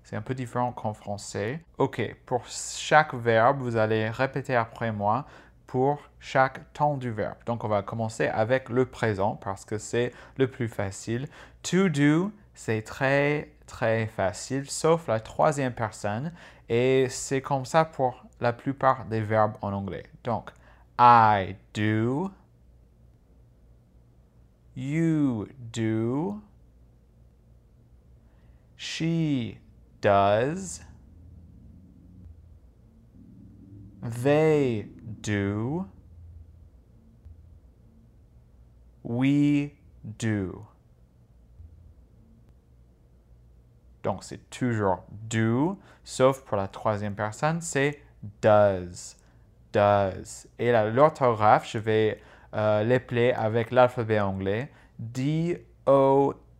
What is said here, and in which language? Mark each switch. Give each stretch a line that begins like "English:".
French: C'est un peu différent qu'en français. OK, pour chaque verbe, vous allez répéter après moi. Pour chaque temps du verbe. Donc, on va commencer avec le présent parce que c'est le plus facile. To do, c'est très, très facile, sauf la troisième personne. Et c'est comme ça pour la plupart des verbes en anglais.
English: Donc, I do, you do, she does, they do, we do.
French: Donc c'est toujours do, sauf pour la troisième personne, c'est does, does. Et là, l'orthographe, je vais l'appeler avec l'alphabet anglais, D-O-E-S.